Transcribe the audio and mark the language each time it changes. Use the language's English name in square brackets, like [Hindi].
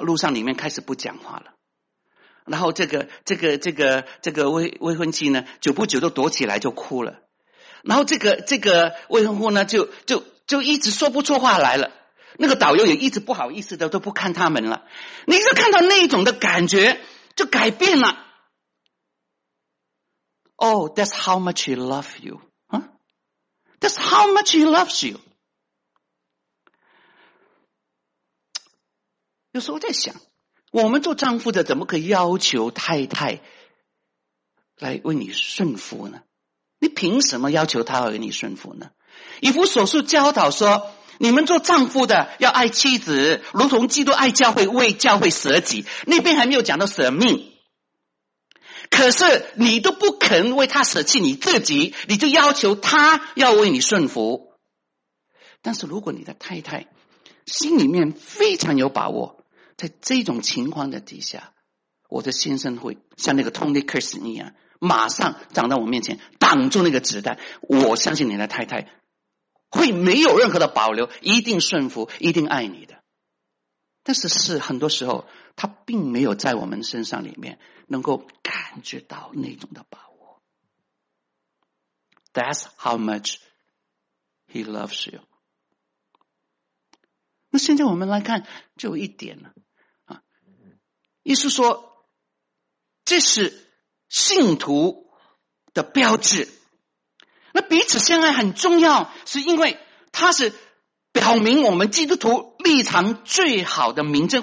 [Chinese] 路上里面开始不讲话了，然后这个未婚妻呢久不久都躲起来就哭了，然后这个未婚夫呢就一直说不出话来了，那个导游也一直不好意思的都不看他们了，你就看到那种的感觉就改变了。 [English] Oh, that's how much he loves you. That's how much he loves you. [Chinese] 有时候在想，我们做丈夫的怎么可以要求太太来为你顺服呢？你凭什么要求她为你顺服呢？以弗所书教导说，你们做丈夫的要爱妻子，如同基督爱教会，为教会舍己。那边还没有讲到舍命。可是你都不肯为他舍弃你自己，你就要求他要为你顺服。但是如果你的太太心里面非常有把握，在这种情况的底下，我的先生会像那个 Tony Kirsten 一样马上长到我面前挡住那个子弹，我相信你的太太会没有任何的保留，一定顺服，一定爱你的。但是是很多时候他并没有在我们身上里面能够感觉到那种的把握。 [English] That's how much he loves you. [Chinese] 那现在我们来看就一点了，意思说这是信徒的标志。那彼此相爱很重要，是因为它是表明我们基督徒立场最好的明证。